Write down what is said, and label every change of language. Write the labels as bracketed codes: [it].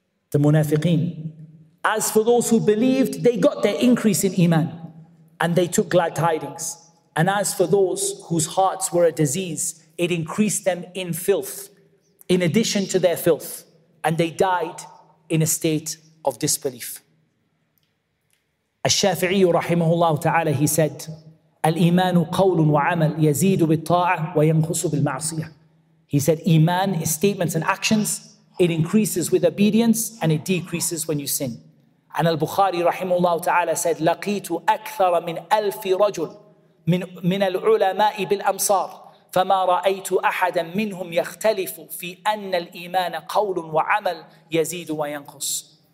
[en] The munafiqeen. As for those who believed, they got their increase in iman, and they took glad tidings. And as for those whose hearts were a disease, it increased them in filth, in addition to their filth, and they died in a state of disbelief. [ar] الشافعي رحمه الله تعالى, [en] he said, [ar] الإيمان قول وعمل يزيد بالطاعة وينقص بالمعصية. [en] He said, iman is statements and actions. It increases with obedience and it decreases when you sin. And Al-Bukhari rahimahullah ta'ala said, [ar] لَقِيتُ أَكْثَرَ مِنْ أَلْفِ رَجُلٍ مِنَ الْعُلَمَاءِ بِالْأَمْصَارِ فَمَا رَأَيْتُ أَحَدًا مِنْهُمْ يَخْتَلِفُ فِي أَنَّ الْإِيمَانَ قَوْلٌ وَعَمَلٌ يَزِيدُ وَيَنْقُصُ.